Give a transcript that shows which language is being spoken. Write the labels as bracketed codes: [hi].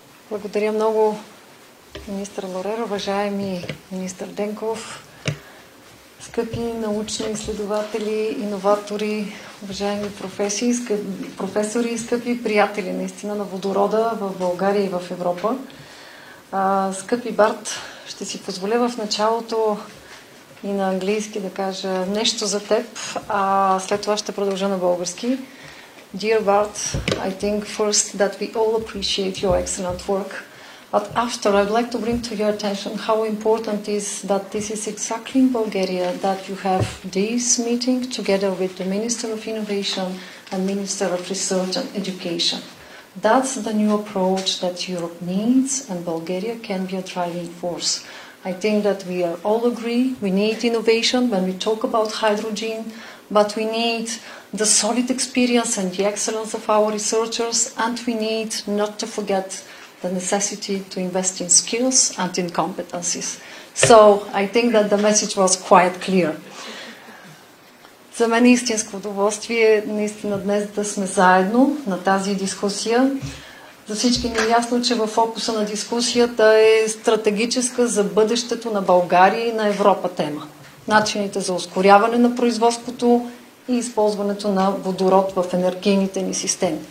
[bg] Благодаря много, министър Лорер, уважаеми министър Денков, скъпи научни изследователи, иноватори, уважаеми професори, скъпи приятели наистина на водорода в България и в Европа. Скъпи Барт, ще си позволя в началото и на английски да кажа нещо за теб, а след това ще продължа на български. [en] Dear Bart, I think first that we all appreciate your excellent work, but after I'd like to bring to your attention how important is that this is exactly in Bulgaria that you have this meeting together with the Minister of Innovation and Minister of Research and Education. That's the new approach that Europe needs and Bulgaria can be a driving force. I think that we all agree we need innovation when we talk about hydrogen, but we need the solid experience and the excellence of our researchers, and we need not to forget the necessity to invest in skills and in competencies. So I think that the message was quite clear. [bg] За мен е истинско удоволствие наистина днес да сме заедно на тази дискусия. За всички ни е ясно, че във фокуса на дискусията е стратегическа за бъдещето на България и на Европа тема. Начините за ускоряване на производството и използването на водород в енергийните ни системи.